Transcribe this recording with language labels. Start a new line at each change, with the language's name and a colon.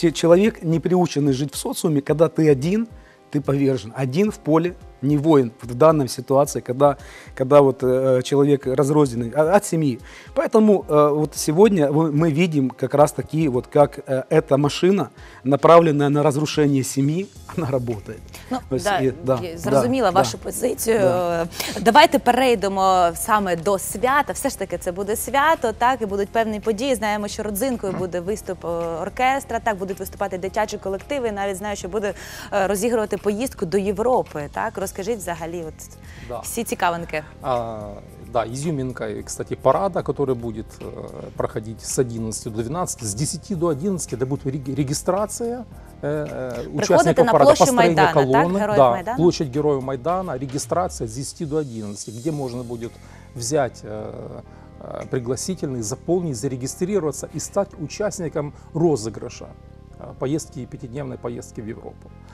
Russian: Человек, не приученный жить в социуме, когда ты один, ты повержен. Один в поле, не воин в данной ситуации, когда вот человек разрозненный от семьи. Поэтому вот сегодня мы видим как раз такие, вот как эта машина, направленная на разрушение семьи, она работает.
Ukrainian: Ну, да, і, да, зрозуміла, да, вашу, да, позицію. Да. Давайте перейдемо саме до свята. Все ж таки це буде свято, так, і будуть певні події. Знаємо, що родзинкою буде виступ оркестра, так, будуть виступати дитячі колективи, навіть знаю, що буде розігрувати поїздку до Європи, так? Розкажіть взагалі от, да, всі цікавинки.
Russian: Да, изюминка, и, кстати, парада, который будет проходить с 11 до 12, с 10 до 11, это будет регистрация участников парада, построение Майдана, колонны, так, да, площадь Героев Майдана, регистрация с 10 до 11, где можно будет взять пригласительный, заполнить, зарегистрироваться и стать участником розыгрыша поездки, пятидневной поездки в Европу.